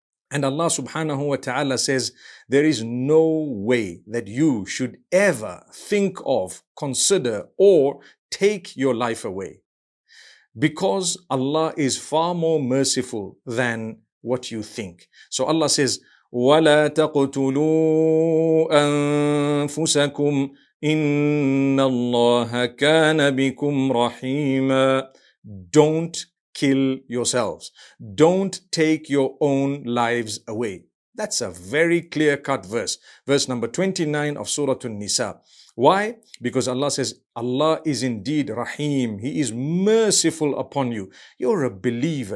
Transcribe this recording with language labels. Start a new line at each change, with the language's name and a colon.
English: And Allah subhanahu wa ta'ala says, there is no way that you should ever think of, consider, or take your life away. Because Allah is far more merciful than what you think.
Arabic: So Allah says, وَلَا تَقْتُلُوا أَنفُسَكُمْ إِنَّ اللَّهَ كَانَ بِكُمْ رَحِيمًا.
English: Don't kill yourselves. Don't take your own lives away. That's a very clear-cut verse. Verse number 29 of Surah An-Nisa. Why? Because Allah says, Allah is indeed Rahim. He is merciful upon you. You're a believer.